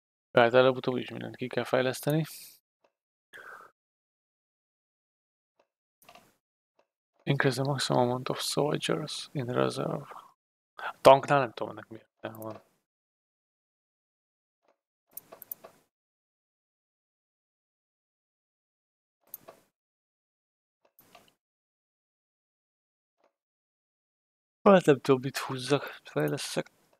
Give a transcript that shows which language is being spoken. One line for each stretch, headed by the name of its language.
Hungarian: Tehát előbb-utóbb is mindent ki kell fejleszteni.
English: Increase the maximum amount of soldiers in reserve.
Hungarian: A tanknál nem tudom, ennek miért van. Hát nem tudom, mit húzzak, fejleszek.